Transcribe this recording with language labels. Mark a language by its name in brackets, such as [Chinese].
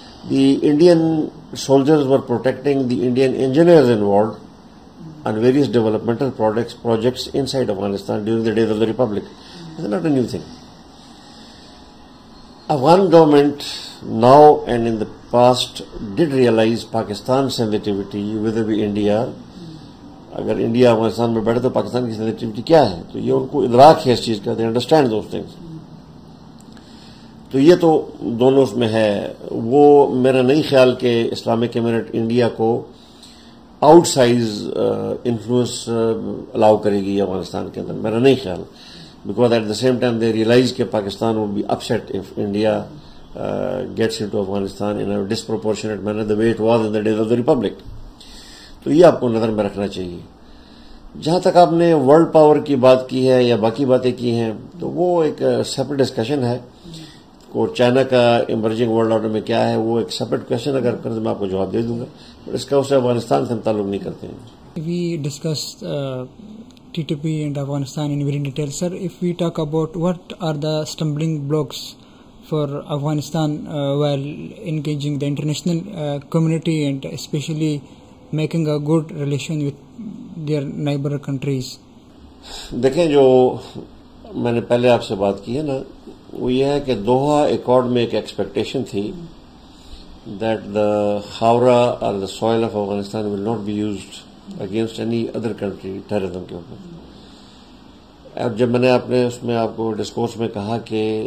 [English] The Indian soldiers were protecting the Indian engineers involved on various developmental projects inside Afghanistan during the days of the republic. Not a new thing. Afghan government now and in the past did realize Pakistan sensitivity with India. [Urdu] اگر India Afghanistan میں بیٹھے تو پاکستان کی sensitivity کیا ہے؟ تو یہ ان کو ادراک ہے اس چیز کا, [English] They understand those things. [Urdu] تو یہ تو دونوں اس میں ہے. وہ میرا نہیں خیال کہ اسلامک امارت انڈیا کو آؤٹ سائز انفلوئنس الاؤ کرے گی افغانستان کے اندر, میرا نہیں خیال. [English] Because at the same time they realise کہ Pakistan will be up set if India Gates in to Afghanistan in disproportionate manner the way it was in the days of the republic. [Urdu] تو یہ آپ کو نظر میں رکھنا چاہیے. جہاں تک آپ نے ورلڈ پاور کی بات کی ہے یا باقی باتیں کی ہیں, تو وہ ایک سیپریٹ ڈسکشن ہے. اور چائنا کا ایمرجنگ ورلڈ آرڈر میں کیا ہے وہ ایک سیپریٹ کوشچن, اگر کر میں آپ کو جواب دے دوں گا. اس کا اسے افغانستان سے ہم تعلق نہیں کرتے ہیں. [English] We discuss T T P and Afghanistan in very detail. Sir, if we talk about what are the stumbling blocks for Afghanistan while engaging the international community and especially making a good relation with their neighbor countries? [Urdu] دیکھیں جو میں نے پہلے آپ سے بات کی ہے نا وہ یہ ہے کہ دوہا ایکارڈ میں ایک ایکسپیکٹیشن تھی [English] that the خاورا اور the soil of Afghanistan will not be used against any other country [Urdu] terrorism کے اوپر اور جب میں نے اپنے اس میں آپ کو ڈسکورس میں کہا کہ